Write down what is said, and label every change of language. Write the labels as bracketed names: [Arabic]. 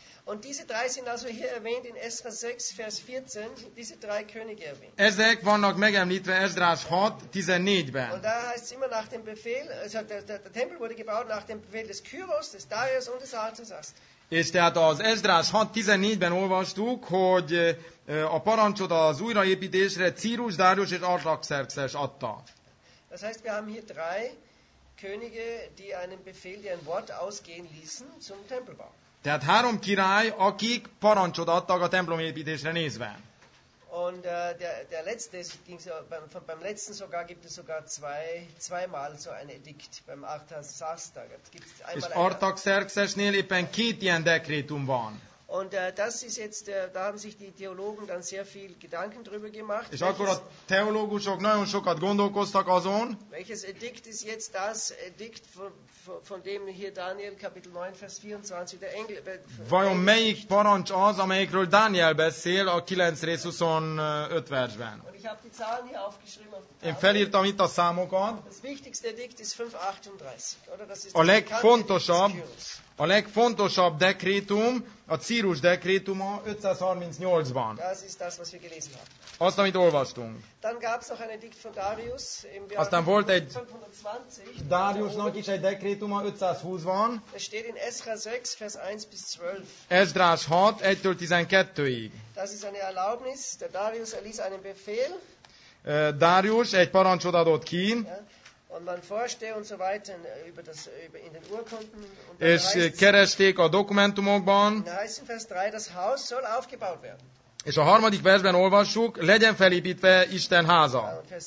[German] Und diese drei sind also hier erwähnt in Ezra 6 vers 14, diese drei Könige erwähnt. [Hungarian] Ezek vannak megemlítve Ezrás 6:14-ben. [German] Und da heißt es immer nach dem Befehl, also der Tempel wurde gebaut nach dem Befehl des Kyros, des Darius und des Artaxerxes. [Hungarian] És tehát az Ezrás 6:14-ben olvastuk, hogy a parancsot az újraépítésre Círus, Darius és Artaxerxes adta. [German] Das heißt, wir haben hier drei Könige, die einen Befehl, die ein Wort ausgehen ließen zum Tempelbau. [Hungarian] Tehát három király, akik parancsot adtak a templom építésre nézve. [German] Und der letzte ging so beim letzten sogar gibt es sogar zweimal so ein Edikt beim Artaxerxes. Gibt es einmal. [Hungarian] És Artaxerxesnél éppen két ilyen dekrétum van. [German] Und das ist jetzt da haben sich die Theologen dann sehr viel Gedanken drüber gemacht. [Hungarian] És akkor a teológusok nagyon sokat gondolkoztak azon. [German] Welches Edikt ist jetzt das Edikt von dem hier Daniel Kapitel 9 Vers 24 der Engel. [Hungarian] Vajon melyik parancs az, amelyikről Daniel beszél a 9 rész 25 versben? [German] Und ich habe die Zahlen hier aufgeschrieben. [Hungarian] Én felírtam itt a számokat. [German] Das wichtigste Edikt ist 538, oder? Das ist [Hungarian] a legfontosabb. A legfontosabb dekrétum, a Círus dekrétuma 538-ban. [German] Das ist das, was wir gelesen haben. [Hungarian] Azt, amit olvastunk. [German] Dann gab's noch ein Edikt von Darius im Jahr. [Hungarian] Aztán volt egy 520. Dariusnak is egy dekrétuma 520-ban. [German] Es steht in Ezra 6 vers 1 bis 12. [Hungarian] Ezrás 6 1-től 12-ig. [German] Das ist eine Erlaubnis, der Darius erließ einen Befehl. [Hungarian] Darius egy parancsot adott ki. [German] Und man forschte und so weiter über das über in den Urkunden und dann [Hungarian] és keresték a dokumentumokban. [German] Heißt in Vers 3, das Haus soll aufgebaut werden. [Hungarian] És a harmadik versben olvassuk, legyen felépítve Isten háza.